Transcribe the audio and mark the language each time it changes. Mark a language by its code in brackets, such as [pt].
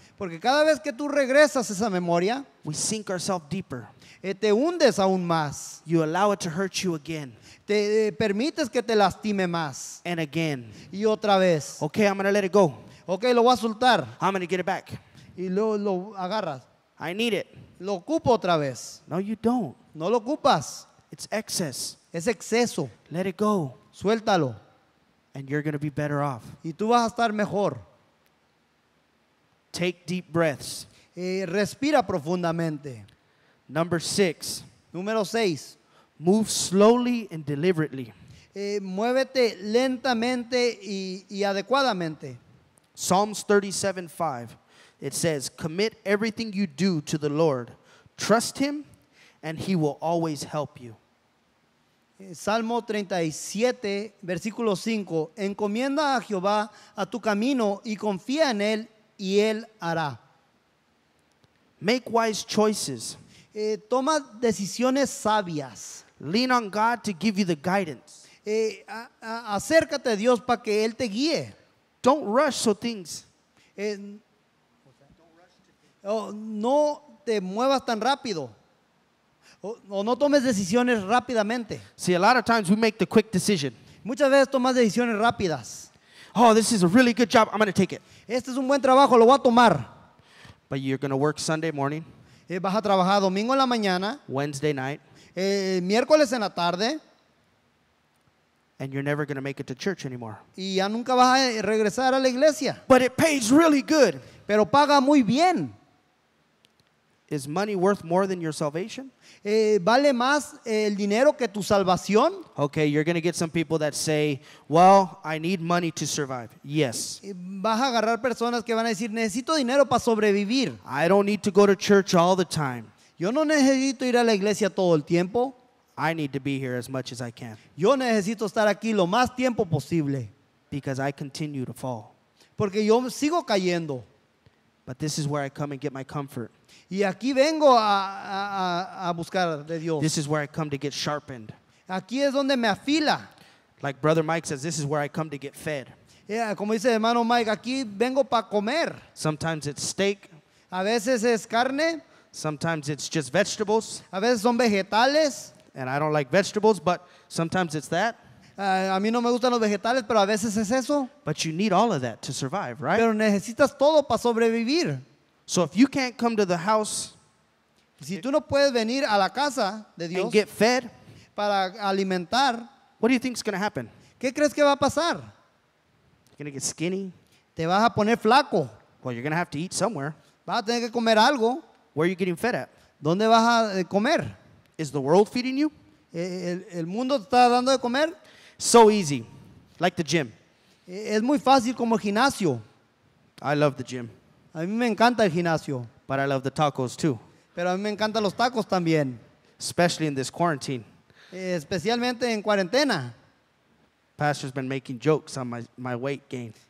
[es] porque cada vez que tú regresas esa memoria, [en] we sink ourselves deeper. [es] Te hundes aún más. [en] You allow it to hurt you again. [es] Te permites que te lastime más. [en] And again. [es] Y otra vez. [en] Okay, I'm going to let it go. [es] Okay, lo voy a soltar. [en] I'm going to get it back. [es] Y lo agarras. [en] I need it. [es] Lo ocupo otra vez. [en] No, you don't. [es] No lo ocupas. [en] It's excess. [es] Es exceso. [en] Let it go. [es] Suéltalo. [en] And you're going to be better off. [es] Y tú vas a estar mejor. [en] Take deep breaths. [es] Respira profundamente. [en] Number 6. [es] Número 6. [en] Move slowly and deliberately. [es] Muévete lentamente y adecuadamente. [en] Psalms 37:5. It says, commit everything you do to the Lord. Trust him and he will always help you. [es] Salmo 37, versículo 5. Encomienda a Jehová a tu camino y confía en él y él hará. [en] Make wise choices. [es] Toma decisiones sabias. [en] Lean on God to give you the guidance. [es] Acércate a Dios para que él te guíe. [en] Don't rush so things. [es] No te muevas tan rápido. O no tomes decisiones rápidamente. [en] See, a lot of times we make the quick decision. [es] Muchas veces tomas decisiones rápidas. [en] Oh, this is a really good job. I'm going to take it. [es] Este es un buen trabajo. Lo voy a tomar. [en] But you're going to work Sunday morning. [es] Vas a trabajar domingo en la mañana. [en] Wednesday night. [es] Miércoles en la tarde. [en] And you're never going to make it to church anymore. [es] Y ya nunca vas a regresar a la iglesia. [en] But it pays really good. [es] Pero paga muy bien. [en] Is money worth more than your salvation? [es] ¿Vale más el dinero que tu salvación? [en] Okay, you're going to get some people that say, well, I need money to survive. Yes. [es] Vas a agarrar personas que van a decir, necesito dinero para sobrevivir. [en] I don't need to go to church all the time. [es] Yo no necesito ir a la iglesia todo el tiempo. [en] I need to be here as much as I can. [es] Yo necesito estar aquí lo más tiempo posible. [en] Because I continue to fall. [es] Porque yo sigo cayendo. [en] But this is where I come and get my comfort. [es] Y aquí vengo a buscar de Dios. [en] This is where I come to get sharpened. [es] Aquí es donde me afila. [en] Like Brother Mike says, this is where I come to get fed. [es] Yeah, como dice hermano Mike, aquí vengo para comer. [en] Sometimes it's steak. [es] A veces es carne. [en] Sometimes it's just vegetables. [es] A veces son vegetales. [en] And I don't like vegetables, but sometimes it's that. [es] A mí no me gustan los vegetales, pero a veces es eso. [en] But you need all of that to survive, right? [es] Pero necesitas todo para sobrevivir. [en] So if you can't come to the house, [es] si tú no puedes venir a la casa de Dios, [en] and get fed, [es] para alimentar, [en] what do you think is going to happen? [es] ¿Qué crees que va a pasar? [en] You're going to get skinny. [es] Te vas a poner flaco. [en] Well, you're going to have to eat somewhere. [es] Vas a tener que comer algo. [en] Where are you getting fed at? [es] ¿Dónde vas a comer? [en] Is the world feeding you? [es] El mundo te está dando de comer. [en] So easy, like the gym. [es] Es muy fácil como gimnasio. [en] I love the gym. [es] A mí me encanta el gimnasio. [en] But I love the tacos too. [es] Pero a mí me encantan los tacos también. [en] Especially in this quarantine. [es] Especialmente en cuarentena. [en] Pastor's been making jokes on my weight gain.